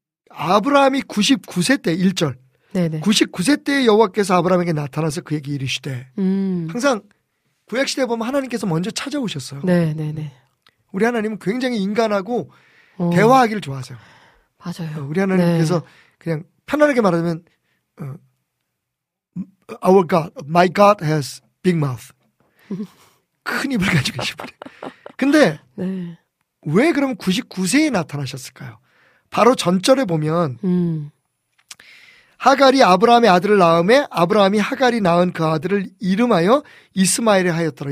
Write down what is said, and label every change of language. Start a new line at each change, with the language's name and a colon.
Korean: 아브라함이 99세 때 1절 네네. 99세 때 여호와께서 아브라함에게 나타나서 그에게 이르시되 항상 구약시대에 보면 하나님께서 먼저 찾아오셨어요. 네네네. 우리 하나님은 굉장히 인간하고 대화하기를 좋아하세요. 맞아요. 우리 하나님께서 네. 그냥 편안하게 말하자면
English: Our God, my God has big mouth.
Korean: 큰 입을 가지고 계십니다. 근데 네. 왜 그러면 99세에 나타나셨을까요? 바로 전절에 보면 하갈이 아브라함의 아들을 낳음에 아브라함이 하갈이 낳은 그 아들을 이름하여 이스마엘에 하였더라.